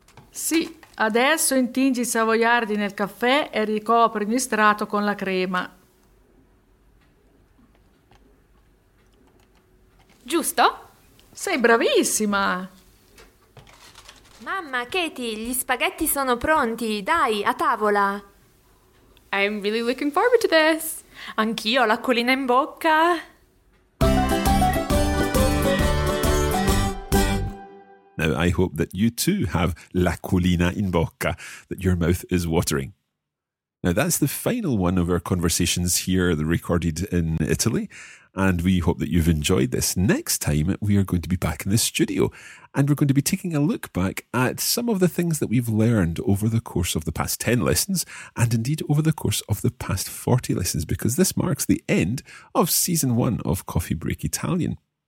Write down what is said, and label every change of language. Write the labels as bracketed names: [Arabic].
[Italian] Sì, adesso intingi i savoiardi nel caffè e ricopri ogni strato con la crema. Giusto? Sei bravissima! Mamma, Katie, gli spaghetti sono pronti. Dai, a tavola. [English] I'm really looking forward to this. [Italian] Anch'io, l'acquolina in bocca. [English] Now, I hope that you too have [Italian] l'acquolina in bocca, [English] that your mouth is watering. Now, that's the final one of our conversations here recorded in Italy. And we hope that you've enjoyed this. Next time, we are going to be back in the studio and we're going to be taking a look back at some of the things that we've learned over the course of the past 10 lessons and indeed over the course of the past 40 lessons, because this marks the end of season 1 of Coffee Break Italian.